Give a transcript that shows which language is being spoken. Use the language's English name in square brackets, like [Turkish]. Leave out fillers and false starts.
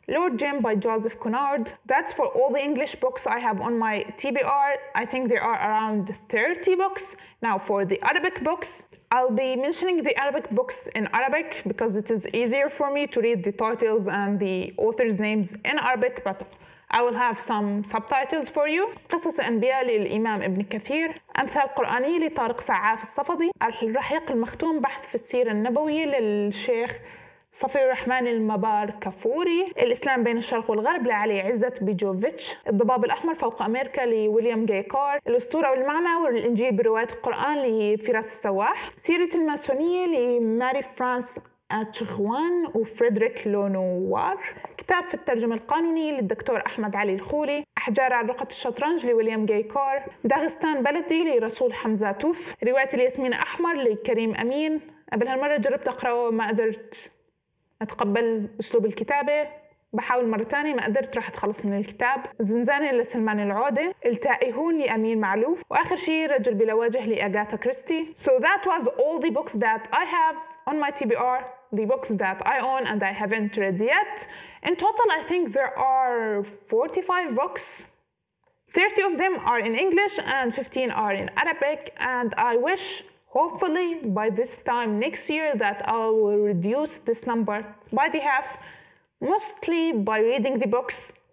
[English] Lord Jim by Joseph Conard. That's for all the English books I have on my TBR. I think there are around 30 books. Now for the Arabic books, I'll be mentioning the Arabic books in Arabic because it is easier for me to read the titles and the authors' names in Arabic, but I will have some subtitles for you. [Arabic] قصص أنبياء للإمام ابن كثير. أمثال قرآني لطارق سعاف الصفدي. الرحيق المختوم بحث في السيرة النبوية للشيخ صفي الرحمن المبار كفوري. الإسلام بين الشرق والغرب لعلي عزة بيجوفيتش. الضباب الأحمر فوق أمريكا لويليام جاي كار. الأسطورة والمعنى والإنجيل برواية القرآن لفراس السواح. سيرة الماسونية لماري فرانس أتشخوان وفريدريك لونوار. كتاب في الترجمة القانونية للدكتور أحمد علي الخولي. أحجار عروقة الشطرنج لويليام جاي كار. داغستان بلدي لرسول حمزة توف. رواية الياسمين أحمر لكريم أمين. قبل هالمرة جربت أقرأه ما قدرت أتقبل أسلوب الكتابة. بحاول مرة تانية ما قدرت راح أتخلص من الكتاب. زنزانة لسلمان العودة. التائهون لأمين معلوف. وآخر شيء رجل بلا وجه لأغاثا كريستي. [English] So that was all the books that I have on my TBR, the books that I own and I haven't read yet. In total, I think there are 45 books. 30 of them are in English and 15 are in Arabic. And I wish, hopefully, by this time next year that I will reduce this number by the half, mostly by reading the books.